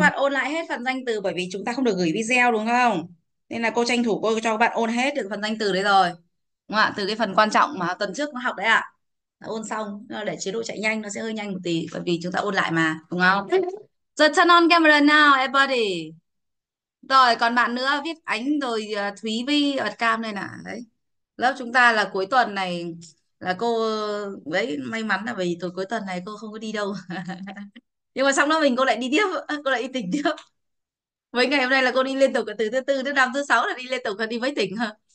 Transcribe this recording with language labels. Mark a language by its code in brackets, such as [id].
[vi] bạn ôn lại hết phần danh từ bởi vì chúng ta không được gửi video đúng không? Nên là cô tranh thủ cô cho các bạn ôn hết được phần danh từ đấy rồi. Đúng không ạ? Từ cái phần quan trọng mà tuần trước nó học đấy ạ. À. Ôn xong để chế độ chạy nhanh nó sẽ hơi nhanh một tí bởi vì chúng ta ôn lại mà, đúng không? [en] Rồi turn on camera now everybody. [vi] Rồi còn bạn nữa viết ánh rồi Thúy Vi ở cam đây nè. Đấy. Lớp chúng ta là cuối tuần này là cô đấy may mắn là vì tối cuối tuần này cô không có đi đâu. Nhưng mà xong lớp mình cô lại đi tiếp, cô lại đi tỉnh tiếp. Mấy ngày hôm nay là cô đi liên tục từ thứ tư, thứ năm, thứ sáu là đi liên tục, đi mấy tỉnh hả?